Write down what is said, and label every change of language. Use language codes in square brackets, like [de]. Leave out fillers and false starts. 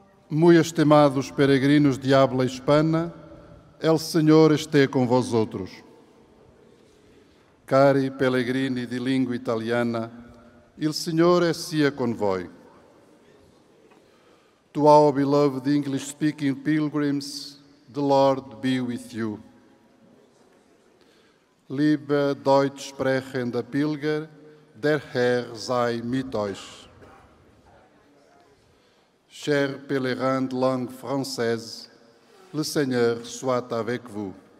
[es] Muy estimados peregrinos de habla hispana, el Señor esté con vosotros. [it] Cari pellegrini di lingua italiana, il Signore sia con voi. [en] To our beloved English-speaking pilgrims, the Lord be with you. [de] Liebe deutsch sprechende Pilger, der Herr sei mit euch. [fr] Cher pèlerin de langue française, le Seigneur soit avec vous.